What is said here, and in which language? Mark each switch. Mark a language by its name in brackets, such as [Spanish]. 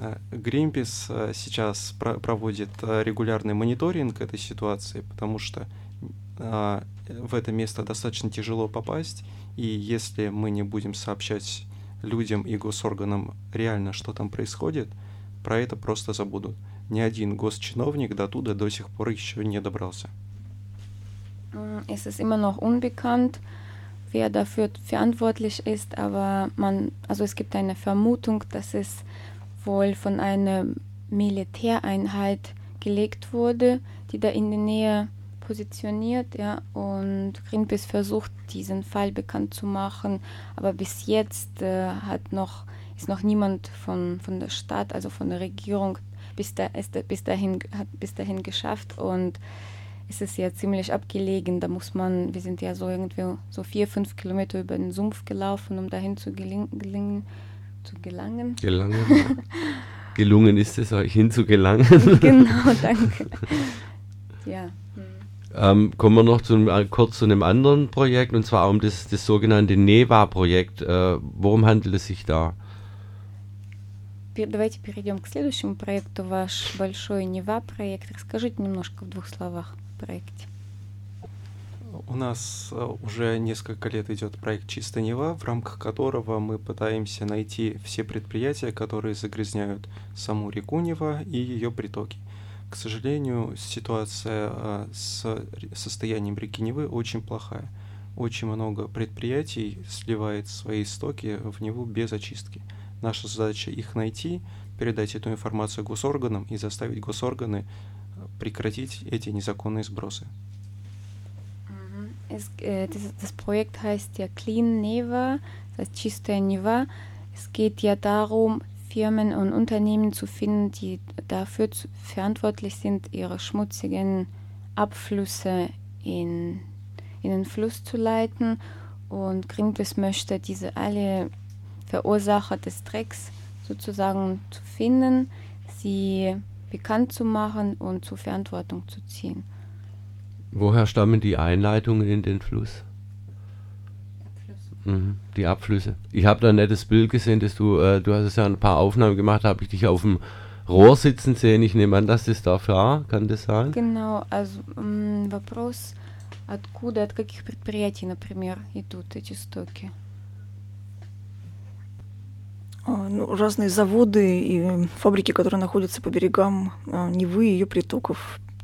[Russian] Greenpeace сейчас проводит регулярный мониторинг этой ситуации, потому что в это место достаточно тяжело попасть, и если мы не будем сообщать людям и госорганам реально, что там происходит, про это просто забудут. Ни один госчиновник до туда до сих пор еще не добрался. [German] Es ist immer noch unbekannt, wer dafür verantwortlich ist, aber es gibt eine Vermutung, dass es wohl von einer Militäreinheit gelegt wurde, die da in der Nähe positioniert, ja, und Greenpeace versucht, diesen Fall bekannt zu machen, aber bis jetzt ist noch niemand von der Stadt, also von der Regierung, bis dahin geschafft, und es ist ja ziemlich abgelegen, da muss man, wir sind ja so irgendwie so 4-5 Kilometer über den Sumpf gelaufen, um dahin zu gelangen. Gelangen. Gelungen ist es, euch hinzugelangen. Genau, danke. Ja. Kommen wir noch kurz zu einem anderen Projekt, und zwar um das sogenannte NEVA-Projekt. Worum handelt es sich da? [Russian] Давайте перейдем к следующему проекту, ваш большой NEVA-Projekt. Расскажите немножко в двух словах о проекте. У нас уже несколько лет идет проект «Чистая Нева», в рамках которого мы пытаемся найти все предприятия, которые загрязняют саму реку Нева и ее притоки. К сожалению, ситуация с состоянием реки Невы очень плохая. Очень много предприятий сливает свои истоки в Неву без очистки. Наша задача их найти, передать эту информацию госорганам и заставить госорганы прекратить эти незаконные сбросы. [German] Das Projekt heißt ja Clean Neva, das heißt Chiste Neva. Es geht ja darum, Firmen und Unternehmen zu finden, die dafür verantwortlich sind, ihre schmutzigen Abflüsse in den Fluss zu leiten. Und Greenpeace möchte diese alle Verursacher des Drecks sozusagen zu finden, sie bekannt zu machen und zur Verantwortung zu ziehen. Woher stammen die Einleitungen in den Fluss? Die Abflüsse. Ich habe da ein nettes Bild gesehen, dass du hast es ja ein paar Aufnahmen gemacht, habe ich dich auf dem Rohr sitzen sehen. Ich nehme an, dass das dafür war, kann das sein? Genau, also [Russian] вопрос, откуда, от каких предприятий, например, идут эти стоки? Ну, разные заводы и фабрики, которые находятся по берегам Невы и ее притоков.